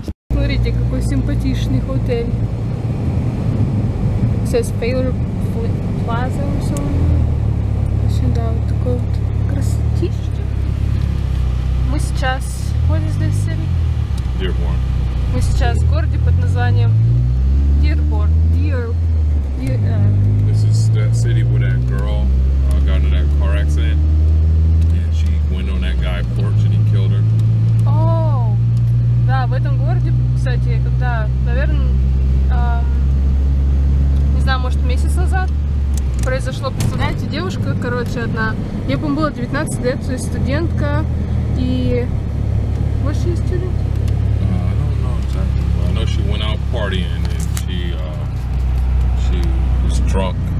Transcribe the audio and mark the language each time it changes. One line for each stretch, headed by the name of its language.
Russian: Смотрите, какой симпатичный отель.
English: It says Paler Plaza or something.
Russian: Да, вот такой вот красотища. Мы сейчас... What is this city?
English: Dearborn.
Russian: Мы сейчас в городе под названием Dearborn.
English: This is that city where that girl got into that car accident. And she went on that guy porch and he killed her.
Russian: Да, в этом городе, кстати, когда, наверное, не знаю, может, месяц назад произошло, представляете, девушка, короче, одна. Ей, по-моему, было 19 лет, то есть студентка.
English: И... What she is doing? I don't know exactly. I know she went out partying and she was drunk.